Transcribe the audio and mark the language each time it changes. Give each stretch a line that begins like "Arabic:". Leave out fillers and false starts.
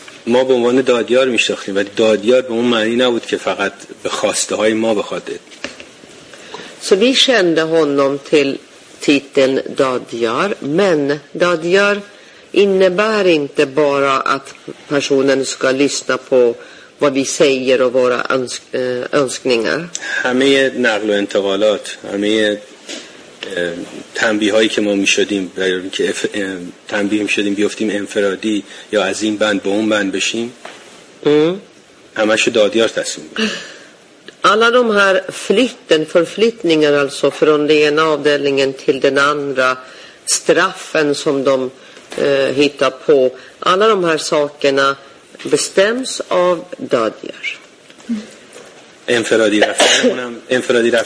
Persian: ما به عنوان دادیار میشناختیم ولی دادیار به اون معنی نبود که فقط به خواسته های ما بخواد.
Swedish: Så vi kände honom till titeln dadjar, men dadjar innebär inte bara att personen ska lyssna på vad vi säger och våra önskningar.
Persian: همه نقل و انتقالات، همه تنبیه هایی که ما می شدیم که تنبیه می شدیم بیافتیم انفرادی یا از این بند به اون بند بشیم همشو دادیار تصمیم بود.
Swedish: Alla de här flytten, förflyttningar alltså från den ena avdelningen till den andra, straffen som de hittar på, alla de här sakerna bestäms av dadjar.
Persian: Enfradi rafta.